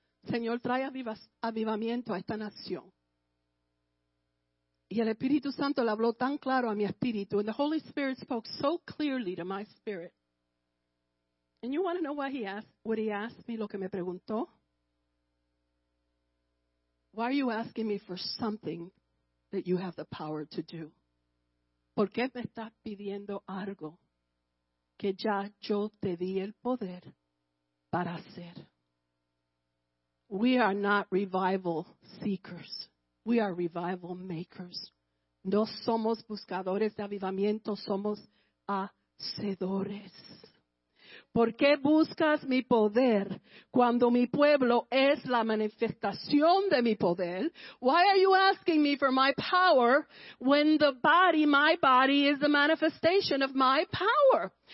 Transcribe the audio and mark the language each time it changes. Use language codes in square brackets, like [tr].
[es] Señor, trae avivamiento a esta nación. Y el Espíritu Santo le habló tan claro a mi espíritu, [en] and the Holy Spirit spoke so clearly to my spirit. And you want to know why he asked, what he asked me, [es] lo que me preguntó? [en] Why are you asking me for something that you have the power to do? [es] ¿Por qué me estás pidiendo algo que ya yo te di el poder para hacer? [en] We are not revival seekers. We are revival makers. [es] No somos buscadores de avivamiento, somos hacedores. ¿Por qué buscas mi poder cuando mi pueblo es la manifestación de mi poder? [en] Why are you asking me for my power when the body, my body, is the manifestation of my power?